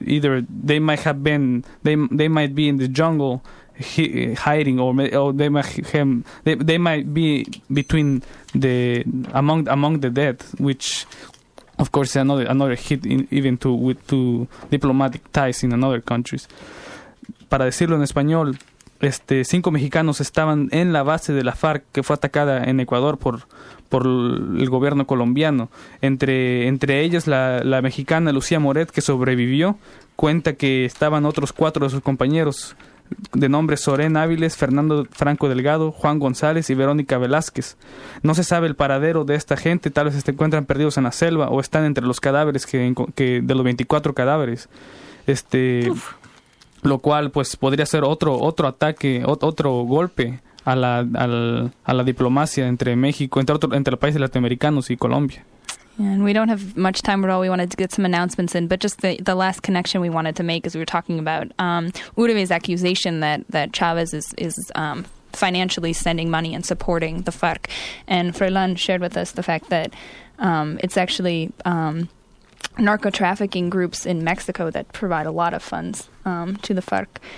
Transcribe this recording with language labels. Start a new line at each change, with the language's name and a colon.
English: Either they might have been they might be in the jungle hiding, or they might be between the among the dead, which of course is another hit to diplomatic ties in other countries.
Spanish: Para decirlo en español, cinco mexicanos estaban en la base de la FARC que fue atacada en Ecuador por el gobierno colombiano. Entre ellas, la mexicana Lucía Moret, que sobrevivió, cuenta que estaban otros 4 de sus compañeros, de nombre Soren Áviles, Fernando Franco Delgado, Juan González y Verónica Velázquez. No se sabe el paradero de esta gente, tal vez se encuentran perdidos en la selva o están entre los cadáveres que de los 24 cadáveres. Lo cual pues podría ser otro ataque, otro golpe a la diplomacia entre México, entre los países latinoamericanos y Colombia.
English: Yeah, and we don't have much time at all. We wanted to get some announcements in, but just the last connection we wanted to make is we were talking about Uribe's accusation that Chavez is financially sending money and supporting the FARC. And Freilán shared with us the fact that it's actually narco-trafficking groups in Mexico that provide a lot of funds to the FARC.